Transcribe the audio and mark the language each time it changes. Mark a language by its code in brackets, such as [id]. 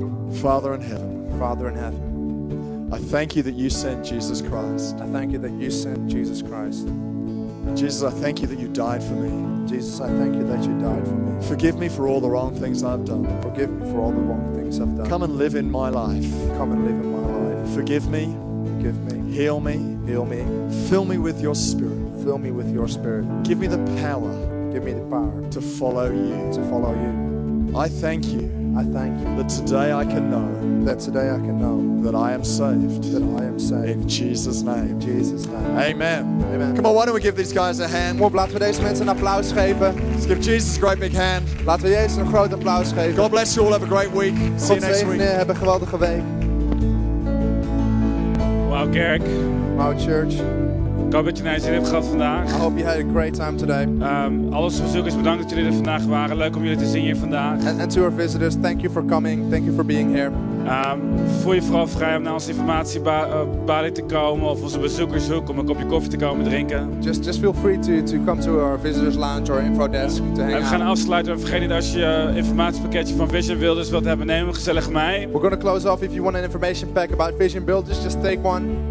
[en] Father in heaven. Father in heaven. I thank you that you sent Jesus Christ. I thank you that you sent Jesus Christ. Jesus, I thank you that you died for me. Jesus, I thank you that you died for me. Forgive me for all the wrong things I've done. Forgive me for all the wrong things I've done. Come and live in my life. Come and live in my life. Forgive me. Forgive me. Heal me. Fill me with your spirit. Give me the power. To follow you. I thank you. That today I can know. That I am saved. In Jesus' name. Amen. Come on, why don't we give these guys a hand? [nl] Kom op, laten we deze mensen een applaus geven. [en] Let's give Jesus a great big hand. [nl] Laten we Jezus een groot applaus geven. [en] God bless you all. Have a great week. See God you next week. [nl] Zegen, hebben een geweldige week. Wow, Kerk. [en] Wow, Church. [nl] Ik hoop dat je naar je zin hebt gehad vandaag. [en] I hope you had a great time today. [nl] Alles bezoekers, bedankt dat jullie er vandaag waren. Leuk om jullie te zien hier vandaag. [en] And to our visitors, thank you for coming. Thank you for being here. [nl] Voel je vooral vrij om naar onze informatiebalie te komen of onze bezoekershoek om een kopje koffie te komen drinken. [en] Just feel free to come to our visitors lounge or info desk to hang out. [nl] We gaan afsluiten. Vergeet niet, als je informatiepakketje van Vision Builders wilt hebben, neem gezellig mee. [en] We're going to close off. If you want an information pack about Vision Builders, just take one.